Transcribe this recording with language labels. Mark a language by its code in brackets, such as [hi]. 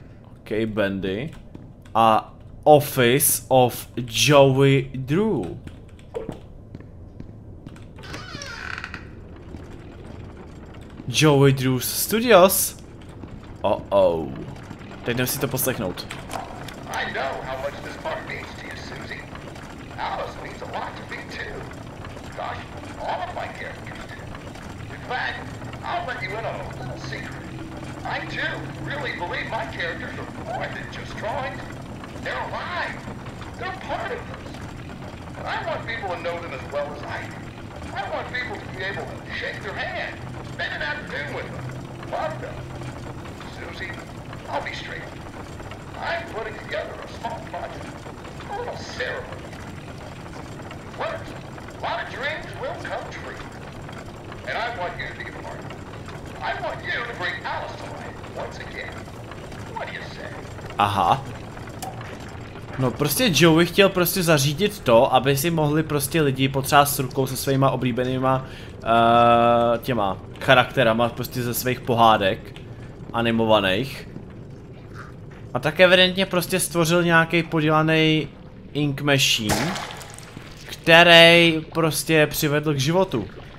[en] OK, Bendy. A Office of Joey Drew. Joey Drew's Studios. Oh. [cs] Teď jdem si to poslechnout. [en] I know how much this part means to you, Susie. Alice means a lot to me too. Gosh, all of my characters do. In fact, I'll let you in on a little secret. I too really believe my characters are more than just drawings. They're alive. They're part of us. And I want people to know them as well as I do. I want people to be able to shake their hand, spend an afternoon with them, love them. Susie, I'll be straight. I'm putting together a small project, a little ceremony. Works. A lot of dreams will come true. And I want you to be a part of it. I want you to bring Alice to life once again. What do you say? Aha. [cs] No prostě Joey chtěl prostě zařídit to, aby si mohli prostě lidi potřást rukou se svýma oblíbenýma těma charakterama prostě ze svých pohádek animovaných. A tak evidentně prostě stvořil nějaký podělaný ink machine, který prostě přivedl k životu.